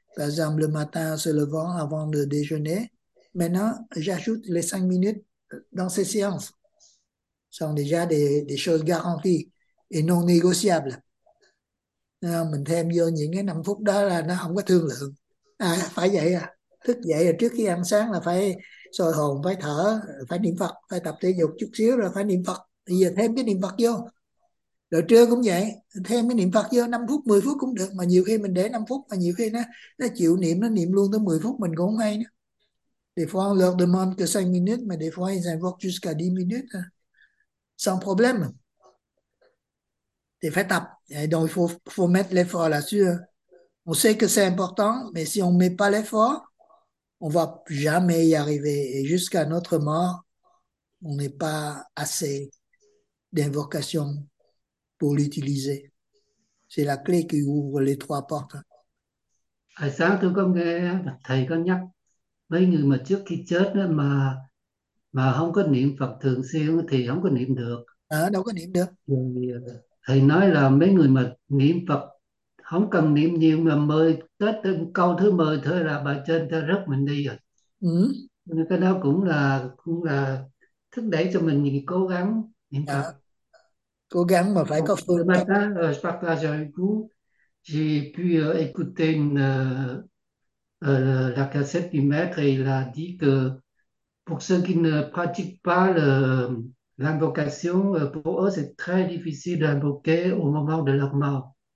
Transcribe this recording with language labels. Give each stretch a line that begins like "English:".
French: Par exemple, le matin, en se levant avant de déjeuner. Maintenant, j'ajoute les 5 minutes dans ces séances. Ce sont déjà des choses garanties et non négociables.
Vietnamese: Alors, mình thêm vô những cái 5 phút đó là nó không có thương lượng. À, phải vậy à. Thức dậy trước khi ăn sáng là phải soi hồn, phải thở, phải niệm Phật, phải tập thể dục chút xíu rồi phải niệm Phật. Bây giờ thêm cái niệm Phật vô. Rồi trưa cũng vậy, thêm cái niệm Phật vô 5 phút, 10 phút cũng được. Mà nhiều khi mình để 5 phút, mà nhiều khi nó chịu niệm, nó niệm luôn tới 10 phút mình cũng không hay nữa.
French: Des fois, on leur demande que 5 minutes, mais des fois, ils invoquent jusqu'à 10 minutes. Sans problème. C'est fait tap. Et donc, il faut mettre l'effort là-dessus. On sait que c'est important, mais si on ne met pas l'effort, on ne va jamais y arriver. Et jusqu'à notre mort, on n'est pas assez d'invocation pour l'utiliser. C'est la clé qui ouvre les trois portes.
Vietnamese: Hồi sáng tôi có nghe thầy có nhắc mấy người mà trước khi chết đó mà không có niệm Phật thường xuyên thì không có niệm được. À, đâu có niệm được. Thì thầy nói là mấy người mà niệm Phật không cần niệm nhiều mà mời tới từng câu thứ 10 thôi là bà trên ta rớt mình đi rồi. Ừ. Nên cái đó cũng là thúc đẩy cho mình những cố gắng niệm À, Phật. cố gắng mà phải có Oh, phương tâm.
French: J'ai pu écouter la cassette du maître, et il a dit que pour ceux qui ne pratiquent pas l'invocation, pour eux, c'est très difficile d'invoquer au moment de leur mort.